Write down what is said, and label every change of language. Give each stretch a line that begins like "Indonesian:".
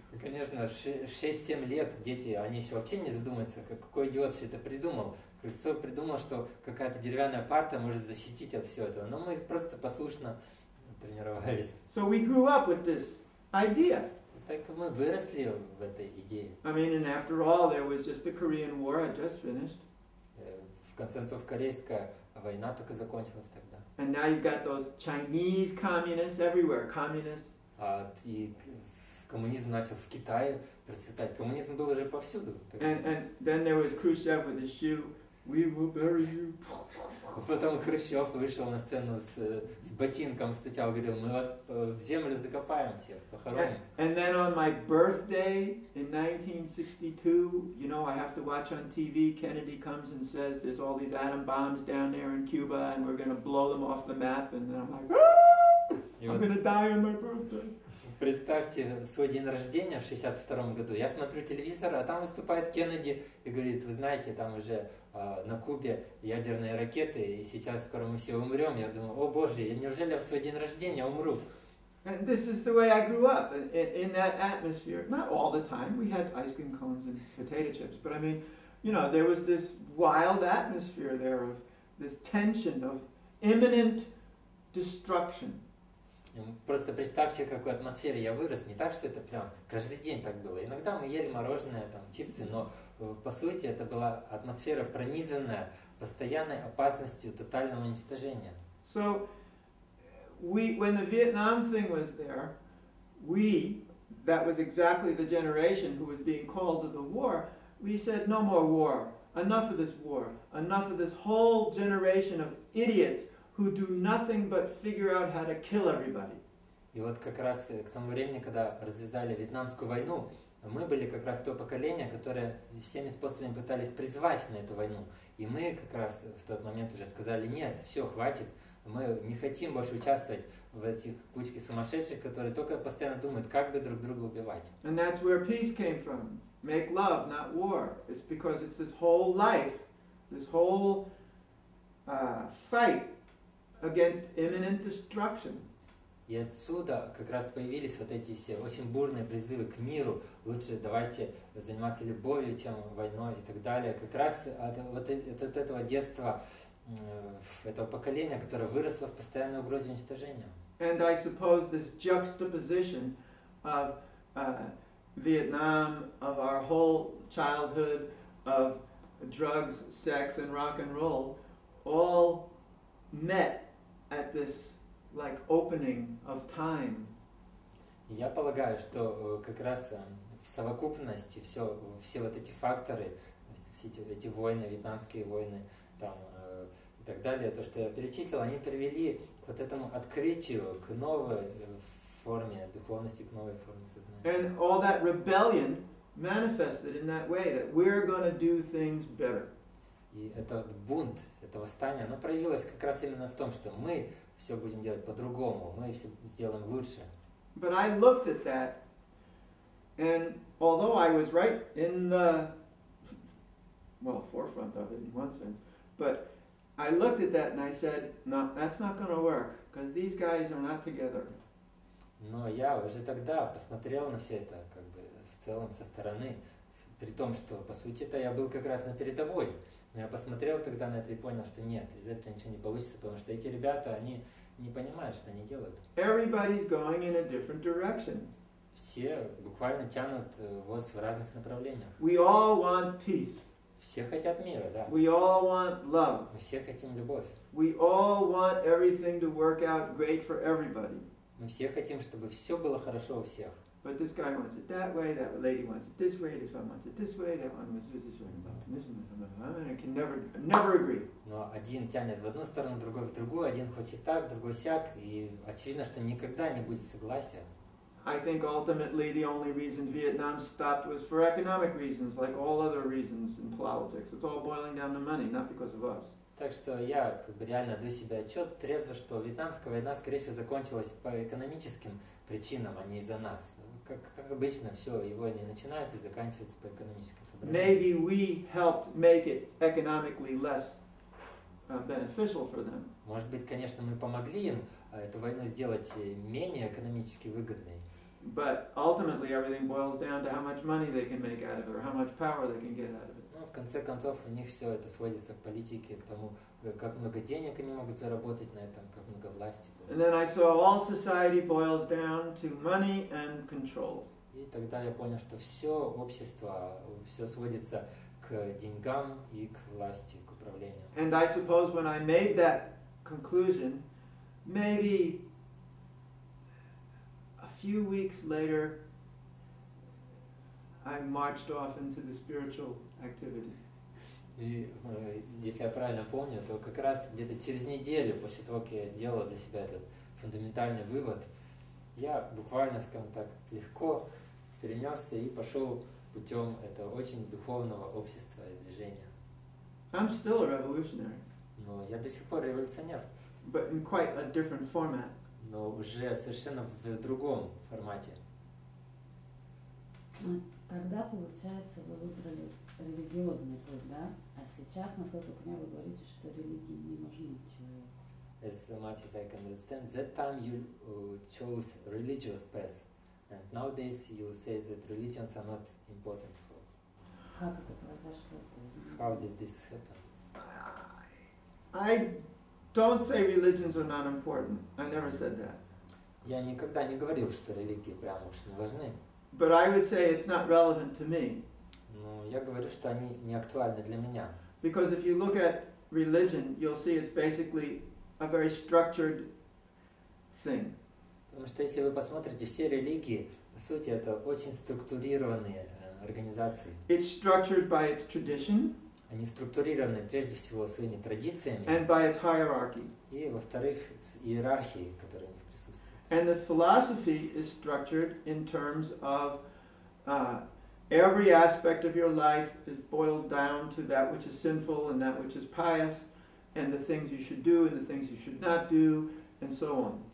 Russian: Конечно, 6-7 лет дети, они еще вообще не задумаются, какой идиот все это придумал. Кто придумал, что какая-то деревянная парта может защитить от всего этого? Но мы просто послушно тренировались.
English: So we grew up with this idea.
Russian: Так мы выросли в этой идее.
English: I mean, and after all, there was just the Korean War I just finished.
Russian: В конце концов, корейская война только закончилась тогда.
English: And now you've got those Chinese communists everywhere, communists.
Russian: А и коммунизм начал в Китае процветать. Коммунизм был уже повсюду.
English: And then there was Khrushchev with his shoe. We will bury you.
Russian: Потом Хрущев вышел на сцену с ботинком, стучал, говорил, мы вас в землю закопаем всех, похороним.
English: And then on my birthday in 1962, you know, I have to watch on TV, Kennedy comes and says, there's all these atom bombs down there in Cuba, and we're going to blow them off the map. And then I'm like, ah! I'm going to die on my birthday.
Russian: Представьте свой день рождения в 62-м году. Я смотрю телевизор, а там выступает Кеннеди и говорит, вы знаете, там уже на Кубе ядерные ракеты, и сейчас скоро мы все умрем. Я думаю, о боже, я неужели в свой день рождения умру?
English: And this is the way I grew up, in that atmosphere. Not all the time, we had ice cream cones and potato chips, but I mean, you know, there was this wild atmosphere there of this tension of imminent destruction.
Russian: Просто представьте, какой атмосфере я вырос. Не так, что это прям каждый день так было. Иногда мы ели мороженое, там, чипсы, но по сути это была атмосфера, пронизанная постоянной опасностью тотального уничтожения.
English: So, when the Vietnam thing was there, that was exactly the generation who was being called to the war, we said, no more war, enough of this war, enough of this whole generation of idiots who do nothing but figure out how to kill everybody.
Russian: И вот как раз к тому времени, когда развязали Вьетнамскую войну, мы были как раз то поколение, которое всеми способами пытались призвать на эту войну. И мы как раз в тот момент уже сказали, нет, все, хватит. Мы не хотим больше участвовать в этих кучке сумасшедших, которые только постоянно думают, как бы друг друга убивать.
English: And that's where peace came from. Make love, not war. It's because it's this whole life, this whole fight against imminent destruction.
Russian: И отсюда как раз появились вот эти все очень бурные призывы к миру. Лучше давайте заниматься любовью, чем войной и так далее. Как раз от этого детства, этого поколения, которое выросло в постоянной угрозе уничтожения.
English: And I suppose this juxtaposition of Vietnam, of our whole childhood, of drugs, sex, and rock and roll, all met at this like opening of time.
Russian: Я полагаю, что как раз в совокупности все вот эти факторы, все эти войны, вьетнамские войны, там и так далее, то, что я перечислил, они привели к вот этому открытию, к новой форме духовности, к новой форме сознания.
English: And all that rebellion manifested in that way, that we're going to do things better.
Russian: И этот бунт, это восстание, оно проявилось как раз именно в том, что мы все будем делать по-другому, мы все сделаем лучше.
English: But I looked at that, and although I was right in the, well, forefront of it in one sense, but I looked at that and I said, no, that's not going to work, because these guys are not together.
Russian: Но я уже тогда посмотрел на все это, как бы, в целом со стороны, при том, что, по сути-то, я был как раз на передовой. Но я посмотрел тогда на это и понял, что нет, из этого ничего не получится, потому что эти ребята, они не понимают, что они делают.
English: Everybody's going in a different direction.
Russian: Все буквально тянут воз в разных направлениях.
English: We all want peace.
Russian: Все хотят мира, да.
English: We all want love.
Russian: Мы все хотим любовь.
English: We all want everything to work out great for everybody.
Russian: Мы все хотим, чтобы все было хорошо у всех.
English: But this guy wants it that way, that lady wants it this way, this one wants it this way, that one wants it this way, and I can never agree.
Russian: Но один тянет в одну сторону, другой в другую, один хочет так, другой сяк, и очевидно, что никогда не будет согласия.
English: I think ultimately the only reason Vietnam stopped was for economic reasons, like all other reasons in politics. It's all boiling down to money, not because of us.
Russian: Так что я как бы реально даю себе отчет трезво, что вьетнамская война, скорее всего, закончилась по экономическим причинам, а не из-за нас. Как обычно, все, и войны начинаются и заканчиваются по экономическим соображениям.
English: Maybe we helped make it economically less beneficial for them.
Russian: Может быть, конечно, мы помогли им эту войну сделать менее экономически выгодной.
English: But ultimately everything boils down to how much money they can make out of it, or how much power they can get out of it.
Russian: В конце концов, у них все это сводится к политике, к тому, как много денег они могут заработать на этом, как много власти будет. И тогда я понял, что все общество, все сводится к деньгам и к власти, к управлению.
English: And I suppose when I made that conclusion, maybe a few weeks later, I marched off into the spiritual activity.
Russian: И если я правильно помню, то как раз где-то через неделю после того, как я сделал для себя этот фундаментальный вывод, я буквально, скажем так, легко перенесся и пошел путем этого очень духовного общества и движения.
English: I'm still a revolutionary.
Russian: Но я до сих пор революционер.
English: But in quite a different format.
Russian: Но уже совершенно в другом формате. Тогда, получается, вы выбрали религиозный путь, да? А сейчас, насколько мне вы говорите, что религии не нужны человеку.
English: As much as I can understand, that time you chose religious path. And nowadays you say that religions are not important for...
Russian: Как это произошло?
English: How did this happen? I don't say religions are not important. I never said that.
Russian: Я никогда не говорил, что религии прямо уж не важны.
English: But I would say it's not relevant to me.
Russian: Ну, я говорю, что они не актуальны для меня.
English: Because if you look at religion, you'll see it's basically a very structured thing.
Russian: Потому что если вы посмотрите, все религии, по сути, это очень структурированные организации.
English: It's structured by its tradition.
Russian: Они структурированы прежде всего своими традициями.
English: And by its hierarchy.
Russian: И во-вторых, с иерархией, которая у них присутствует.
English: And the philosophy is structured in terms of every aspect of your life is boiled down to that which is sinful and that which is pious, and the things you should do and the things you should not do, and so on.